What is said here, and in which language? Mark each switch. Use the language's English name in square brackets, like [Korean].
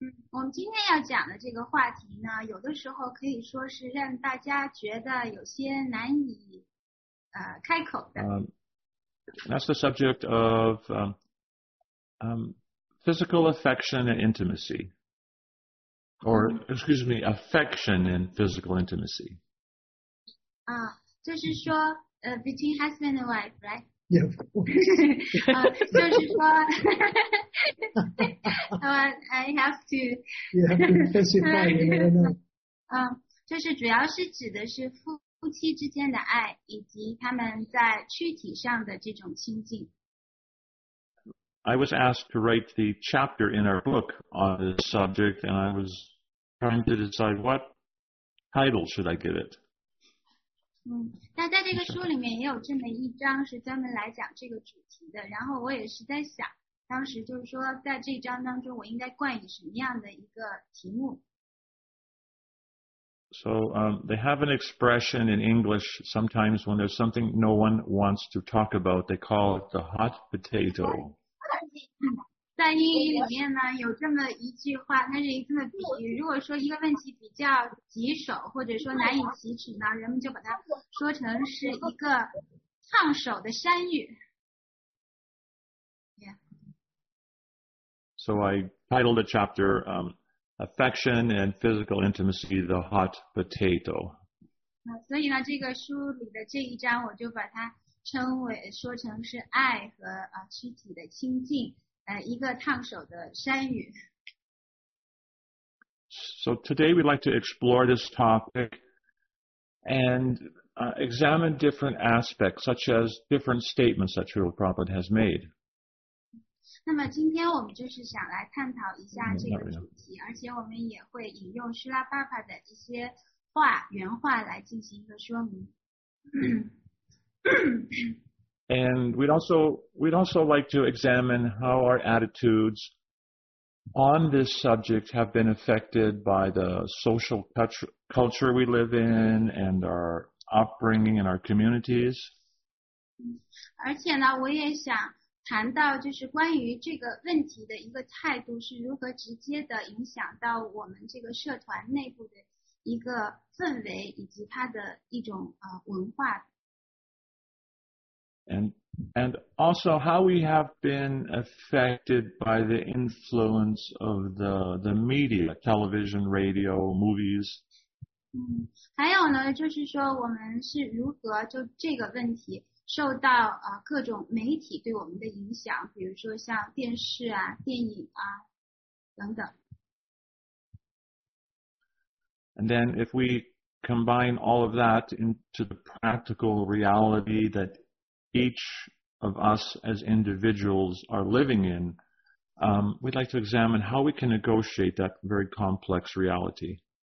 [Chinese] 我们今天要讲的这个话题呢，有的时候可以说是让大家觉得有些难以开口的。 [English] That's the subject of physical affection and intimacy, or excuse me, affection and physical intimacy. [Chinese] 就是说 [English] between husband and wife, right? Yeah, of course. [Chinese] 就是说 [English] I have to specify, you know. [Chinese] 就是主要是指的是夫妻之间的爱，以及他们在躯体上的这种亲近。 [English] I was asked to write the chapter in our book on this subject, and I was trying to decide what title should I give it. [Chinese] 但在这个书里面也有这么一章是专门来讲这个主题的，然后我也是在想，当时就是说在这章当中我应该冠以什么样的一个题目。 [English] So, they have an expression in English, sometimes when there's something no one wants to talk about, they call it the hot potato. [Chinese] 在英语里面呢，有这么一句话，它是一个这么比喻，如果说一个问题比较棘手，或者说难以启齿呢，人们就把它说成是一个烫手的山芋。 [English] Yeah. So I titled the chapter, Affection and Physical Intimacy, the Hot Potato. [Chinese] 所以呢，这个书里的这一章我就把它称为说成是爱和躯体的亲近，一个烫手的山芋。 [English] So today we'd like to explore this topic and examine different aspects, such as different statements that Srila Prabhupada has made. [Chinese] 那么今天我们就是想来探讨一下这个主题，而且我们也会引用 Srila Prabhupada 的一些话原话来进行一个说明。 [English] And we'd also like to examine how our attitudes on this subject have been affected by the social culture we live in and our upbringing in our communities. [Chinese] 而且呢，我也想谈到就是关于这个问题的一个态度是如何直接的影响到我们这个社团内部的一个氛围以及它的一种文化。 [English] And also how we have been affected by the influence of the media, television, radio, movies. [Chinese] 还有呢，就是说我们是如何就这个问题受到各种媒体对我们的影响，比如说像电视啊、电影啊等等。 [English] And then if we combine all of that into the practical reality that each of us as individuals are living in, We'd like to examine how we can negotiate that very complex reality.